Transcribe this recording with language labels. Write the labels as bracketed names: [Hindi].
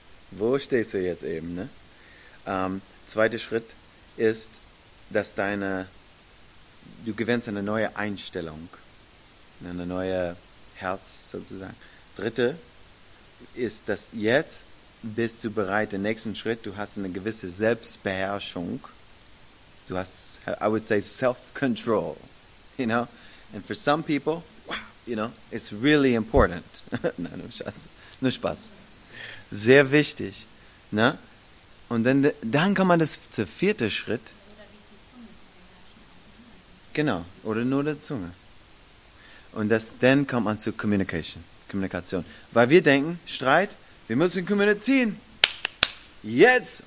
[German] Wo stehst du jetzt eben? Ne? Zweiter Schritt ist, dass du gewinnst eine neue Einstellung. Eine neue Herz sozusagen. Dritte ist, dass jetzt bist du bereit, den nächsten Schritt, du hast eine gewisse Selbstbeherrschung. Du hast, [English] I would say, self-control. You know? And for some people, you know, it's really important. [German] Nein, nur Spaß. Sehr wichtig. Ne? Und dann kann man das zur vierten Schritt. Genau. Oder nur der Zunge. Und dann kommt man zu Kommunikation. Weil wir denken, Streit, wir müssen kommunizieren. Jetzt.